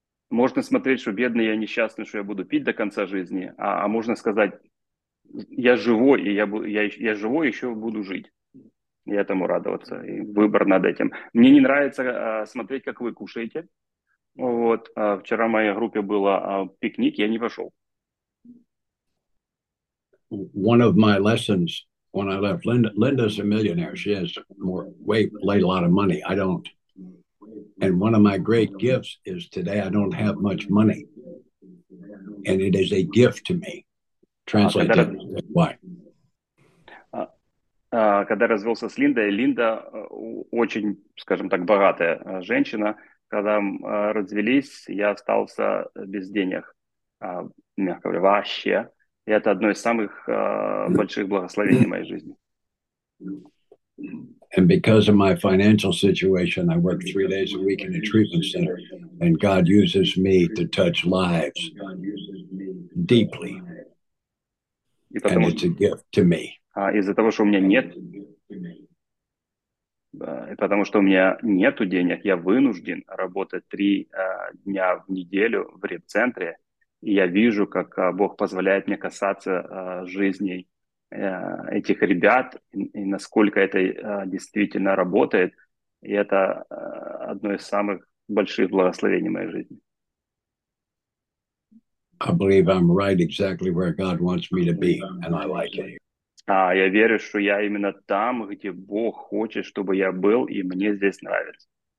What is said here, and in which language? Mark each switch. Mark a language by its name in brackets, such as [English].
[Russian] Можно смотреть, что бедный я несчастный, что я буду пить до конца жизни, а можно сказать, я живой, и я живой, еще буду жить. И этому радоваться, и выбор над этим. Мне не нравится смотреть, как вы кушаете. Вот, вчера в моей группе было пикник, я не пошел. [English] One of my lessons when I left, Linda's a millionaire, she has more, way a lot of money, I don't. And one of my great gifts is today I don't have much money. And it is a gift to me. Translate that, why? [Russian] Когда развелся с Линдой, Линда очень, скажем так, богатая женщина. Когда развелись, я остался без денег, мягко говоря, вообще. И это одно из самых больших благословений моей жизни. [English] And because of my financial situation, I work 3 days a week in a treatment center, and God uses me to touch lives deeply. And it's a gift to me. [Russian] Из-за того, что у меня нет, потому что у меня нету денег, я вынужден работать 3 дня в неделю в реабцентре, и я вижу, как Бог позволяет мне касаться жизней этих ребят, и насколько это действительно работает, и это одно из самых больших благословений моей жизни. [English] I believe I'm right exactly where God wants me to be, and I like it. [Russian] Я верю, что я именно там, где Бог хочет, чтобы я был, и мне здесь нравится.